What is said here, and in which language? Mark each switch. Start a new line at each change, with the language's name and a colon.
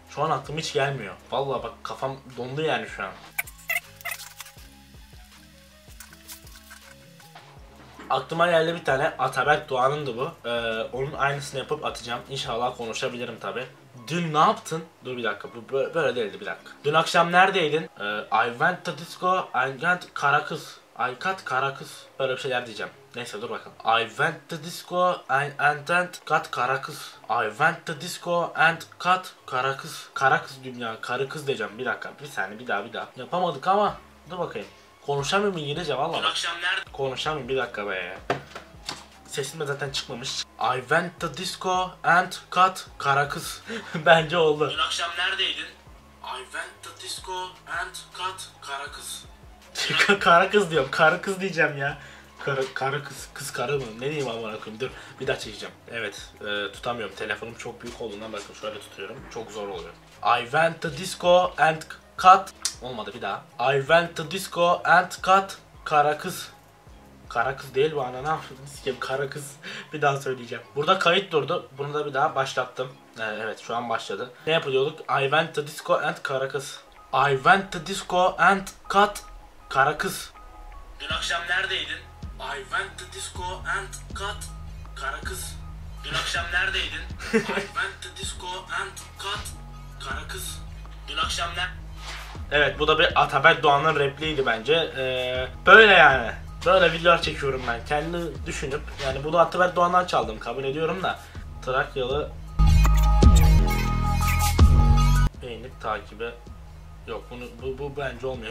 Turkish: Şu an aklım hiç gelmiyor. Vallahi bak, kafam dondu yani şu an. Aklıma geldi bir tane. Ataberk Doğan'ındı bu. Onun aynısını yapıp atacağım. İnşallah konuşabilirim tabi. Dün ne yaptın? Dur bir dakika, bu böyle değildi, bir dakika. Dün akşam neredeydin?
English: I went to disco, I got Karakız.
Turkish: Böyle bir şeyler diyeceğim. Neyse dur bakalım.
English: I went to disco and got Karakız. I went to disco and got Karakız.
Turkish: Karakız diyeyim ya, karı kız diyeceğim. Bir dakika, bir saniye, bir daha. Yapamadık ama, dur bakayım. Konuşamıyorum İngilizce valla. Dün akşam nerede? Konuşamıyorum, bir dakika be. Sesim de zaten çıkmamış.
English: I went to disco and got Karakız.
Turkish: Bence oldu. Dün akşam neredeydin?
English: I went to disco and got Karakız.
Turkish: Karakız diyorum. Karakız diyeceğim ya. Karakız. Kız karı mı? Ne diyeyim amına koyayım? Dur. Bir daha çekeceğim. Evet. Tutamıyorum. Telefonum çok büyük olduğundan bakın. Şöyle tutuyorum. Çok zor oluyor.
English: I went to disco and got...
Turkish: Olmadı. Bir daha.
English: I went to disco and got Karakız.
Turkish: Kara kız değil bu, ana ne yapıyorsun sikim, kara kız. Bir daha söyleyeceğim. Burada kayıt durdu. Bunu da bir daha başlattım. Evet, şu an başladı. Ne yapıyorduk?
English: I went to disco and kara kız. I went to disco and cut kara kız.
Turkish: Dün akşam neredeydin?
English: I went to disco and cut kara kız.
Turkish: Dün akşam neredeydin?
English: I went to disco and cut kara kız.
Turkish: Dün akşam ne? Evet, bu da bir Ataberk Doğan'ın repliğiydi bence. Böyle yani. Böyle videolar çekiyorum ben, kendi düşünüp. Yani bunu Ataberk Doğan'dan çaldım, kabul ediyorum da. Trakyalı. Beğenip takibe. Yok, bunu bu bence olmuyor.